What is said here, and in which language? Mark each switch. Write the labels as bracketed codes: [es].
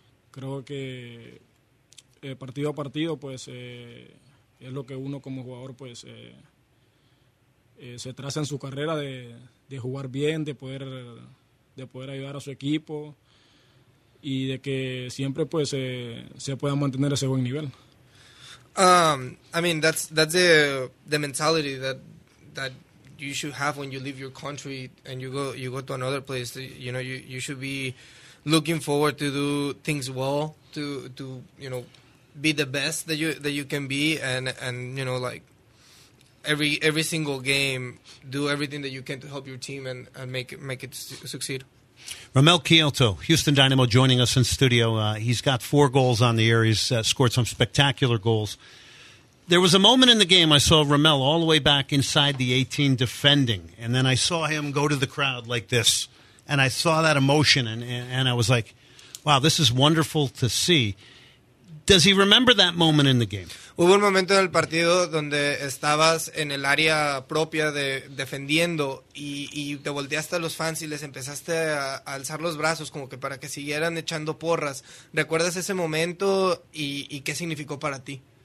[es] Creo que partido a partido, pues, es lo que uno como jugador, pues, se traza en su carrera de jugar bien, de poder ayudar a su equipo y de que siempre, pues, se pueda mantener ese buen nivel. [en] I mean, that's the mentality that you should have when you leave your country and you go to another place. You know, you should be looking forward to do things well, to you know, be the best that you can be, and you know, like every single game, do everything that you can to help your team and make it succeed. Ramel Kyoto, Houston Dynamo, joining us in studio. He's got 4 goals on the year. He's scored some spectacular goals. There was a moment in the game I saw Ramel all the way back inside the 18 defending, and then I saw him go to the crowd like this, and I saw that emotion, and I was like, wow, this is wonderful to see. Does he remember that moment in the game? [es] Hubo un momento en el partido donde estabas en el área propia defendiendo y te volteaste a los fans y les empezaste a alzar los brazos como que para que siguieran echando porras. ¿Recuerdas ese momento y qué significó para ti?